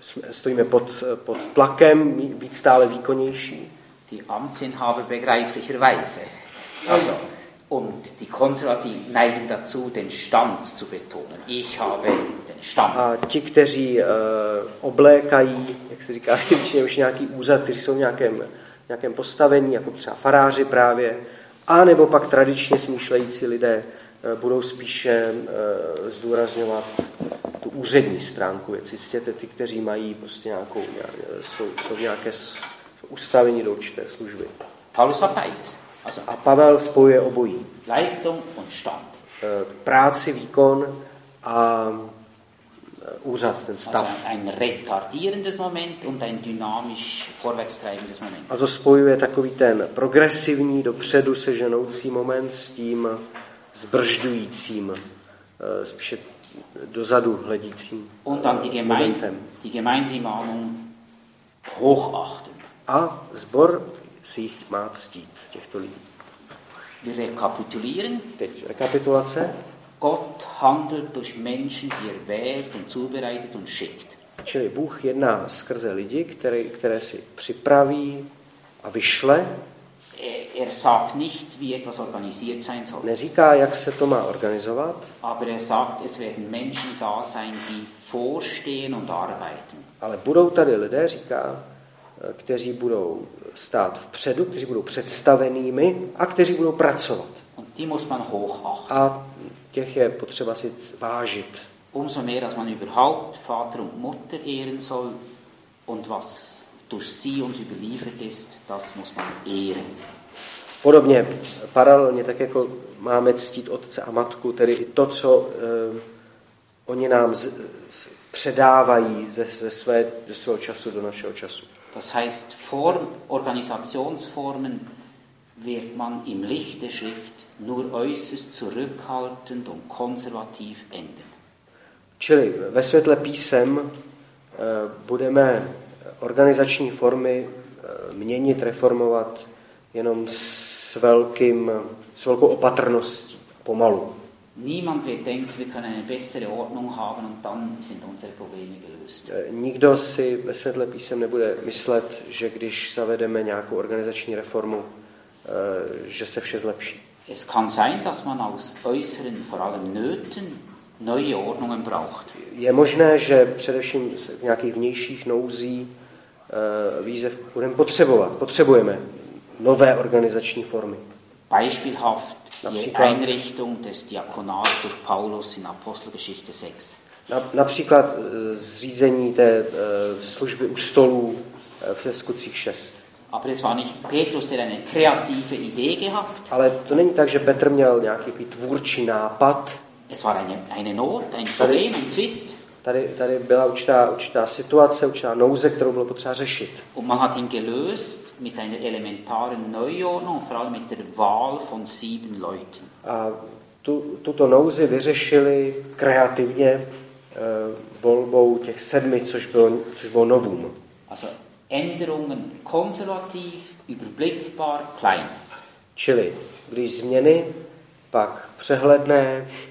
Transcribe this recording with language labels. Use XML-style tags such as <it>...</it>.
<cs>Stojíme pod tlakem být stále výkonnější.</cs> <de>Die Amtsinhaber begreiflicherweise. Also. Und die Konservativen neigen dazu, den Stand zu betonen. Ich habe den Stand.</de> <cs>A ti, kteří oblékají, jak se říká, většině už nějaký úřad, kteří jsou v nějakém postavení, jako třeba faráři právě, a nebo pak tradičně smýšlející lidé budou spíše zdůrazňovat tu úřední stránku věci. Ctěte ty, kteří mají prostě nějakou, jsou nějaké ustavení do určité služby.</cs> <de>Paulus hat beides.</de> <cs>Also, a Pavel spojuje obojí.</cs> <de>Leistung und Stand.</de> <cs>Práci, výkon a úřad, ten stav.</cs> <de>Also ein retardierendes Moment und ein dynamisch vorwärtstreibendes Moment.</de> <cs>Also spojuje takový ten progresivní, dopředu seženoucí moment s tím zbržďujícím, spíše dozadu hledícím momentem.</cs> <de>Die Gemeinde im Allgemeinen hochachten.</de> <cs>A zbor si má ctít těchto lidí.</cs> <de>Wir rekapitulieren.</de> <cs>Teď rekapitulace.</cs> <de>Gott handelt durch Menschen, die er wählt und zubereitet und schickt.</de> <cs>Čili Bůh jedná skrze lidi, které si připraví a vyšle.</cs> <de>Er sagt nicht, wie etwas organisiert sein soll.</de> <cs>Neříká, jak se to má organizovat.</cs> <de>Aber er sagt, es werden Menschen da sein, die vorstehen und arbeiten.</de> <cs>Ale budou tady lidé, říká, kteří budou stát vpředu, kteří budou představenými a kteří budou pracovat.</cs> <de>Und die muss man hochachten.</de> <cs>A těch je potřeba si vážit.</cs> <de>Umso mehr, dass man überhaupt Vater und Mutter ehren soll und was durch sie uns überliefert ist, das muss man ehren.</de> <cs>Podobně, paralelně, tak jako máme ctít otce a matku, tedy i to, co oni nám předávají ze svého času do našeho času.</cs> <de>Das heißt, Form, Organisationsformen wird man im Licht der Schrift nur äußerst zurückhaltend und konservativ ändern.</de> <cs>Čili ve světle písem budeme organizační formy měnit, reformovat jenom s velkou opatrností, pomalu.</cs> <de>Niemand wird denken, wir können eine bessere Ordnung haben und dann sind unsere Probleme gelöst.</de> <cs>Nikdo si ve světle písem nebude myslet, že když zavedeme nějakou organizační reformu, že se vše zlepší.</cs> <de>Es kann sein, dass man aus äußeren, vor allem Nöten, neue Ordnungen braucht.</de> <cs>Je možné, že především v nějakých vnějších nouzí výzev budeme potřebovat. Potřebujeme nové organizační formy.</cs> <de>Beispielhaft die Einrichtung des Diakonats durch Paulus in Apostelgeschichte 6.</de> <cs>Například zřízení té služby u stolů v Skutcích 6.</cs> <de>Aber es war nicht Petrus, der eine kreative Idee gehabt.</de> <cs>Ale to není tak, že Petr měl nějaký tvůrčí nápad.</cs> <de>Es war eine Not, ein Problem, ein Zwist.</de> <cs>Tady byla určitá situace, určitá nouze, kterou bylo potřeba řešit.</cs> <de>Und man hat ihn gelöst mit einer elementaren Neuordnung, vor allem mit der Wahl von 7 Leuten.</de> <cs>A tuto nouzi vyřešili kreativně volbou těch 7, což bylo novum.</cs> <de>Also Änderungen konservativ, überblickbar, klein.</de> <cs>Čili když změny, pak přehledné,</cs>